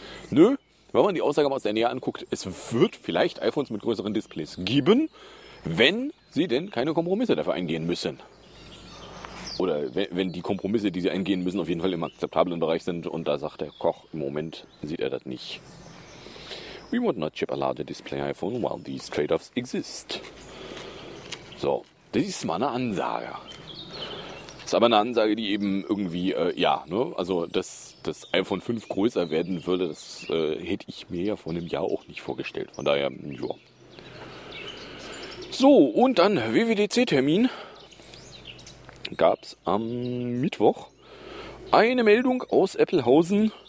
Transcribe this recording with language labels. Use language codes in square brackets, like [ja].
[de] Nö, wenn man die Aussage mal aus der Nähe anguckt, es wird vielleicht iPhones mit größeren Displays geben, wenn sie denn keine Kompromisse dafür eingehen müssen. Oder wenn die Kompromisse, die sie eingehen müssen, auf jeden Fall im akzeptablen Bereich sind. Und da sagt der Koch, im Moment sieht er das nicht. [en] We would not ship a larger display iPhone while these trade-offs exist. [de] So, das ist mal eine Ansage. Ist aber eine Ansage, die eben irgendwie, also dass das iPhone 5 größer werden würde, das hätte ich mir ja vor einem Jahr auch nicht vorgestellt. Von daher, ja. So, und dann WWDC-Termin. Gab es am Mittwoch eine Meldung aus Applehausen.